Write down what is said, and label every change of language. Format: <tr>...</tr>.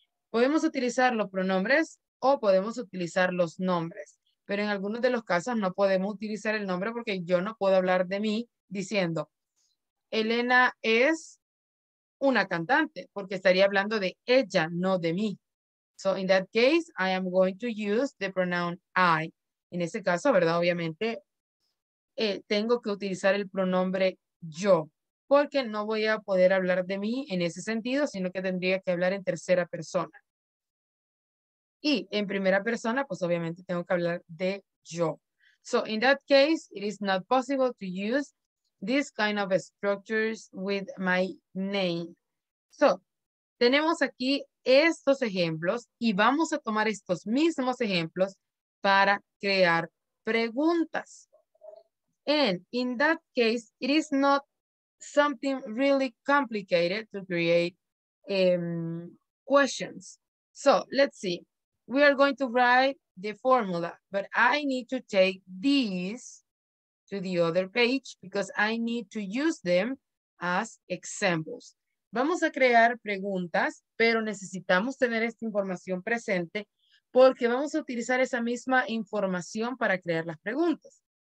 <es>Podemos utilizar los pronombres o podemos utilizar los nombres, pero en algunos de los casos no podemos utilizar el nombre porque yo no puedo hablar de mí diciendo Elena es una cantante, porque estaría hablando de ella, no de mí.</es> <en>So in that case, I am going to use the pronoun I.</en> <es>En ese caso, ¿verdad? Obviamente, tengo que utilizar el pronombre yo, porque no voy a poder hablar de mí en ese sentido, sino que tendría que hablar en tercera persona. Y en primera persona, pues obviamente tengo que hablar de yo.</es> <en>So in that case, it is not possible to use this kind of structures with my name.</en> <es>So, tenemos aquí estos ejemplos y vamos a tomar estos mismos ejemplos para crear preguntas.</es> <en>And in that case, it is not something really complicated to create questions. So let's see. We are going to write the formula, but I need to take these to the other page because I need to use them as examples.</en> <es>Vamos a crear preguntas, pero necesitamos tener esta información presente porque vamos a utilizar esa misma información para crear las preguntas.</es>